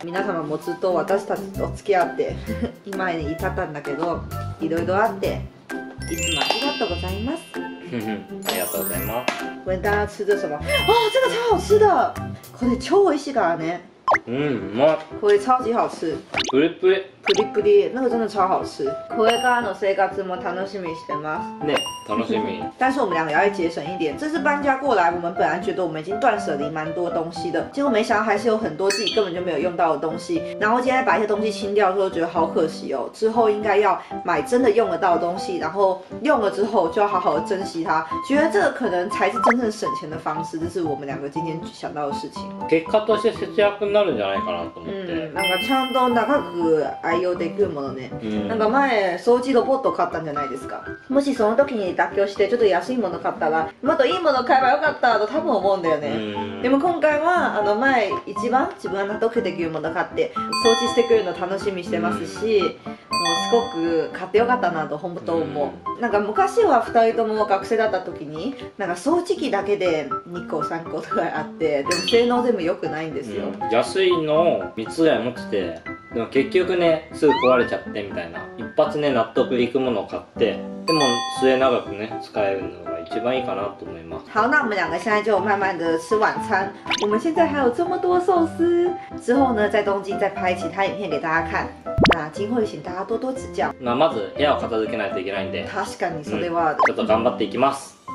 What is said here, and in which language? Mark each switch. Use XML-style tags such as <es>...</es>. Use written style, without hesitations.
<ja>皆様もずっと私たちと付き合って今に至ったんだけど、いろいろあっていつもありがとうございます。ありがとうございます。ウェンダーツーズ様、あー、</ja> <zh>这个超好吃的。</zh> <ja>これ超美味しいからね。うん、うまい。これ超级好吃。プリプリ。</ja> <zh>プリプリ。那个真的超好吃。</zh> <ja>これからの生活も楽しみしてます。ね、楽しみ。</ja> <zh>但是我们两个要节省一点。这次搬家过来，我们本来觉得我们已经断舍离蛮多东西的，结果没想到还是有很多自己根本就没有用到的东西。然后今天把一些东西清掉之后，觉得好可惜哦。之后应该要买真的用得到的东西，然后用了之后就要好好的珍惜它。觉得这个可能才是真正省钱的方式，这是我们两个今天想到的事情。</zh> <ja>結果として節約になるんじゃないかなと思って。うん、なんかちゃんと長く愛用できるものね。うん、なんか前掃除ロボット買ったんじゃないですか。もしその時に妥協してちょっと安いもの買ったら、もっといいもの買えばよかったと多分思うんだよね。うん、でも今回はあの前一番自分が納得できるもの買って掃除してくるの楽しみしてますし、うん、もうすごく買ってよかったなと本当と思う。うん、なんか昔は2人とも学生だった時になんか掃除機だけで2個3個とかあって、でも性能全部良くないんですよ。うん、安いのを3つぐらい持ってて、でも結局ね、すぐ壊れちゃってみたいな。一発ね、納得いくものを買って、でも末永くね、使えるのが一番いいかなと思います。</ja> <zh>好、那我们两个现在就慢慢的吃晚餐。我们现在还有这么多寿司。之后呢，在东京再拍其他影片给大家看。那今后也请大家多多指教。</zh> <ja>那まず部屋を片付けないといけないんで。確かにそれは。ちょっと頑張っていきます。</ja>